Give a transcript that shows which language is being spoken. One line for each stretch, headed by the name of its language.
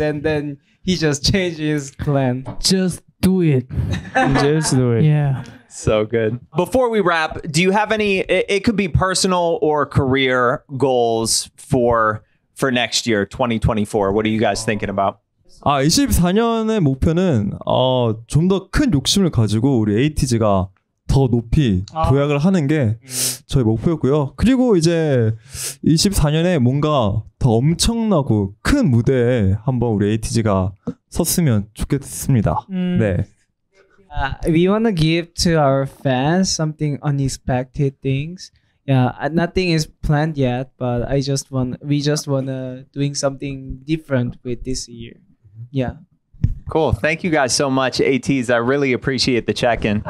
English: And then he just changed his plan. Just do it. Just do it. Yeah. So good. Before we wrap, do you have any, it could be personal or career goals for next year, 2024. What are you guys thinking about?
Korean: 아, 24년의 목표는 좀 더 큰 욕심을 가지고 우리 ATEEZ가 더 높이 도약을 하는 게 저희 목표였고요. 그리고 이제 24년에 뭔가 더 엄청나고 큰 무대에 한번 우리 ATEEZ가 섰으면 좋겠습니다. 네.
English: We want to give to our fans something unexpected things. Yeah, nothing is planned yet, but we just want to doing something different with this year. Yeah. Cool. Thank you guys so much, ATEEZ. I really appreciate the check-in.